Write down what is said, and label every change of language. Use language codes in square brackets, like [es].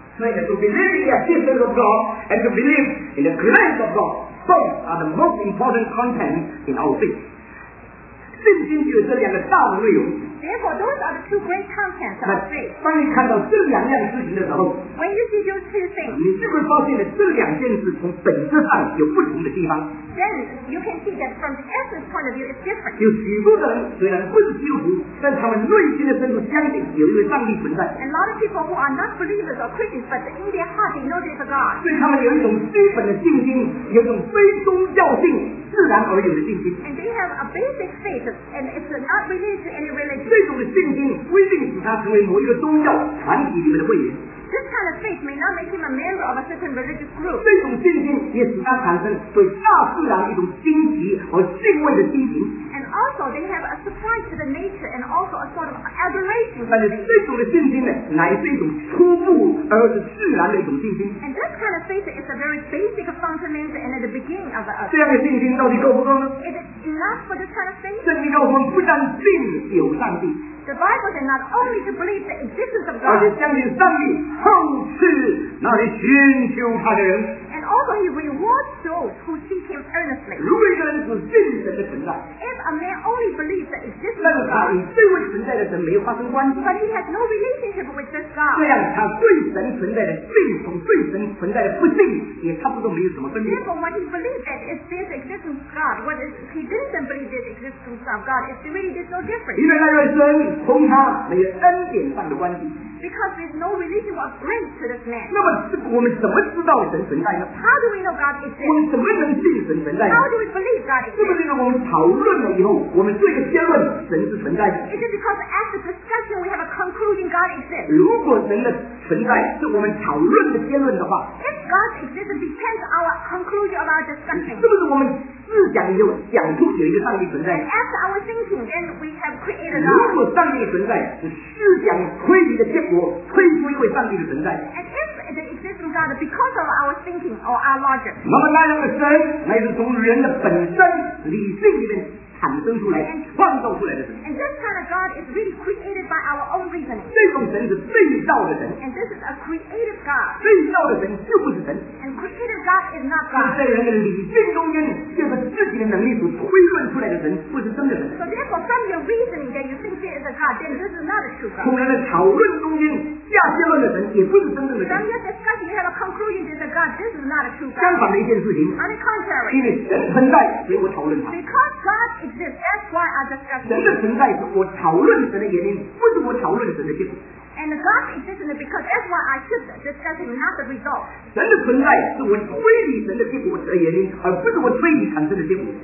[en] So to believe in the existence of God and to believe in the grace of God, both are the most important contents in our faith. [zh] 信心就是这两个大的内容。 [en] Therefore, those are the two great contents of faith. [zh] 当你看到这两件事情的时候， [en] When you see those two things, [zh] 你是不是发现了这两件事从本质上有不同的地方？ [en] Then you can see that from the essence point of view, it's different. [zh] 有许多的人虽然不是基督徒，但他们内心的深处相信有一位上帝存在。 [en] And a lot of people who are not believers or Christians, but in their heart they know there's a God. [zh] 对他们有一种基本的信心，有一种非宗教性自然而有的信心。 [en] And they have a basic faith, and it's not related to any religion. [zh] 这种的信心不一定使他成为某一个宗教团体里面的会员。 [en] This kind of faith may not make him a member of a certain religious group. [zh] 这种信心也使他产生对大自然一种惊奇和敬畏的心情。 [en] And also they have a surprise to the nature and also a sort of adoration. [zh] 但是这种的信心呢，乃是一种初步而是自然的一种信心。 [en] And this kind of faith is a very basic fundament and at the beginning of a. [zh] 这样的信心到底够不够呢？ [en] Is it enough for this kind of faith? [zh] 圣经告诉我们，不但信有上帝。 [en] The Bible says not only to believe the existence of God, [zh] 而且相信上帝厚赐那些寻求他的人。 [en] And also He rewards those who seek Him earnestly. [zh] 如果一个人只信神的存在， [en] if a man only believes the existence of God, [zh] 那是他与这位存在的神没发生关系。 [en] But he has no relationship with this God. [zh] 这样，他对神存在的信奉、对神存在的不信，也差不多没有什么分别。 [en] Therefore, what he believes that is this existence of God, what is he didn't believe this existence of God, it really is no different. [zh] 因为那位神同他没有恩典上的关系。 [en] Because there's no relation of grace to this man. [zh] 那么，我们怎么知道神存在呢 [en] ？How do we know God is there? [zh] 我们怎么能信神存在呢 [en] ？How do we believe God is there? [zh] 是不是我们讨论了以后，我们做一个结论，神是存在的 [en] ？Is it because after discussion we have a conclusion God exists? [zh] 如果神的存在是我们讨论的结论的话 [en] ，If God's existence depends our conclusion of our discussion， [zh] 是不是我们？思想以后讲出有一个上帝存在。 [en] And after our thinking, then we have created. [zh] 如果上帝的存在是思想推理的结果，推出一位上帝的存在。 [en] And if the existence of God because of our thinking or our logic. [zh] 那么那样的神，那是从人的本身理性里面产生出来、创造出来的神。 [en] And this kind of God is really created by our own reasoning. [zh] 这种神是被造的神。 [en] And this is a creative God. [zh] 被造的神就不是神。 [en] And creative God is not God. [zh] 在人的理性中间。自己的能力所推论出来的神不是真的人。 [en] So therefore, from your reasoning that you think there is a God, then this is not a true God. [zh] 从人的讨论中间下结论的神也不是真正的神。 [en] From your discussion, you have a conclusion that there's a God. This is not a true God. [zh] 相反的一件事情。 [en] On the contrary. [zh] 因为神存在，所以我讨论他。 [en] Because God exists, that's why I discuss. [zh] 神的存在是我讨论神的原因，不是我讨论神的结果。 [en] And God existence because that's why I should discuss him, not the result. [zh] 神的存在是我推理神的结果的原因，而不是我推理产生的结果。